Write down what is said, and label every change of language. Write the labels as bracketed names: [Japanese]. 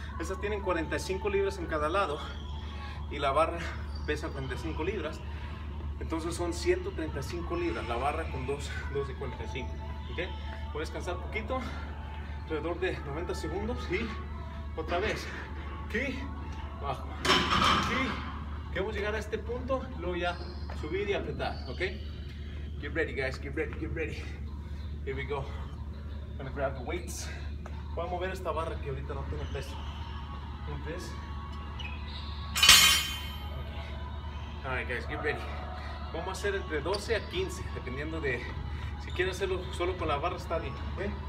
[Spanish] Esas tienen 45 libras en cada lado y la barra pesa 45 libras, entonces son 135 libras la barra con dos de 45, ¿okay? Voy a descansar un poquito, alrededor de 90 segundos y otra vez aquí abajo, aquí queremos llegar a este punto, luego ya subir y apretar, ok. [English] Get ready, guys, get ready, get ready, here we go. I'm gonna grab the weights. [Spanish] Voy a mover esta barra que ahorita no tiene peso. ¿Entendés? [English] All right, guys, get ready. [Spanish] Vamos a hacer entre 12 a 15, dependiendo de... Si quieres hacerlo solo con la barra, está bien, ¿ok?